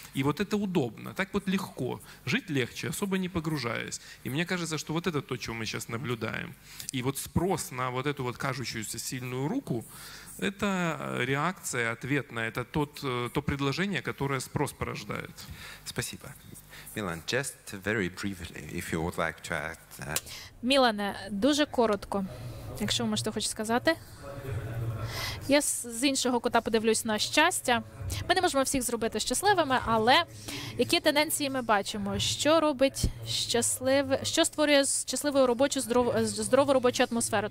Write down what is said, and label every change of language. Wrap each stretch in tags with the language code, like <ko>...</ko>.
<ru>И вот это удобно, так вот легко, жить легче, особо не погружаясь. И мне кажется, что вот это то, чего мы сейчас наблюдаем. И вот спрос на вот эту вот кажущуюся сильную руку, это реакция, ответ на это, то предложение, которое спрос порождает. Спасибо.</ru> <en>Milan, just very briefly, if you would like to add.</en> <uk>Мілане, дуже коротко, якщо ви можете хочете сказати. Я з іншого кута подивлюсь на щастя. Ми не можемо всіх зробити щасливими, але які тенденції ми бачимо? Що робить щасливе, що створює щасливу робочу, здорову робочу атмосферу?</uk>